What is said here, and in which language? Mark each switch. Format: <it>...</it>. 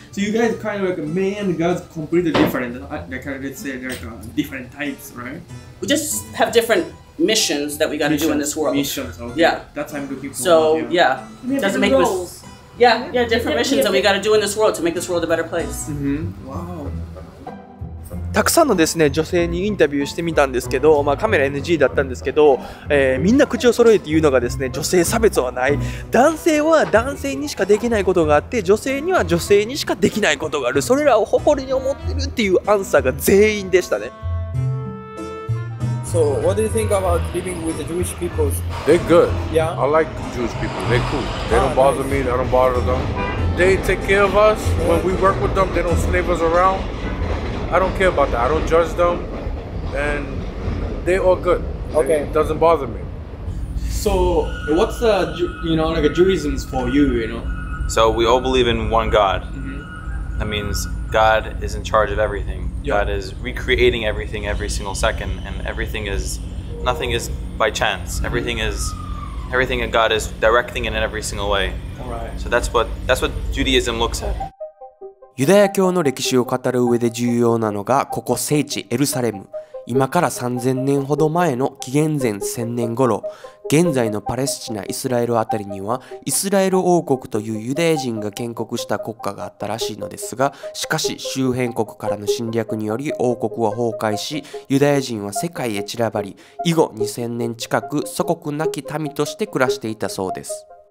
<en>So you guys are kind of like men and girls completely different. Like, let's say like different types, right? We just have different missions that we got to do in this world. Missions, okay. Yeah. That's what I'm looking for. So, yeah. It doesn't make roles. Yeah, different missions that we got to do in this world to make this world a better place. Mm-hmm. Wow.</en> <ja>たくさんのですね女性にインタビューしてみたんですけど、まあ、カメラ NG だったんですけど、みんな口を揃えて言うのがですね、女性差別はない、男性は男性にしかできないことがあって、女性には女性にしかできないことがある、それらを誇りに思ってるっていうアンサーが全員でしたね。</ja> <en>So what do you think about living with the Jewish people? They're good. Yeah. I like Jewish people. They're cool. They don't bother me. I don't bother them. They take care of us. When we work with them, they don't slave us aroundI don't care about that. I don't judge them. And they all good. Okay. It doesn't bother me. So what's the, you know, like a Judaism for you, you know? So we all believe in one God. Mm-hmm. That means God is in charge of everything. Yep. God is recreating everything every single second. And everything is, nothing is by chance. Mm-hmm. Everything that God is directing in every single way. All right. So that's what Judaism looks at.</en> <ja>ユダヤ教の歴史を語る上で重要なのが、ここ聖地エルサレム。今から3000年ほど前の紀元前1000年頃、現在のパレスチナ・イスラエルあたりには、イスラエル王国というユダヤ人が建国した国家があったらしいのですが、しかし周辺国からの侵略により王国は崩壊し、ユダヤ人は世界へ散らばり、以後2000年近く祖国なき民として暮らしていたそうです。</ja>